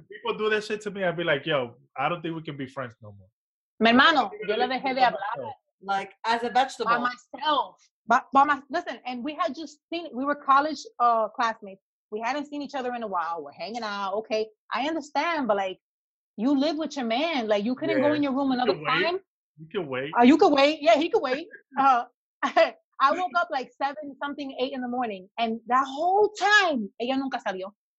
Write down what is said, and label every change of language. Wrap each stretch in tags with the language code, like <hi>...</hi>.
<en>People do that shit to me, I'd be like, yo, I don't think we can be friends no more.</en> <es>Mi hermano, yo le dejé de hablar.</es> <en>Like, as a vegetable. By myself. Listen, and we had just seen, we were college classmates. We hadn't seen each other in a while. We're hanging out. Okay, I understand, but like, you live with your man. Like, you couldn't go in your room another time. You can wait. You can wait. Yeah, he could wait. I woke up like 7-something, 8 in the morning, and that whole time,</en> <es>ella nunca salió.</es>